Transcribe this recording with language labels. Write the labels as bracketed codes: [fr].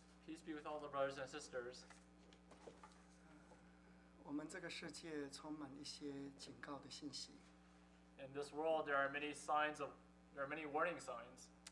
[en] Peace be with all the brothers and sisters. [zh] 我们这个世界充满一些警告的信息。 [en] In this world, there are many warning signs.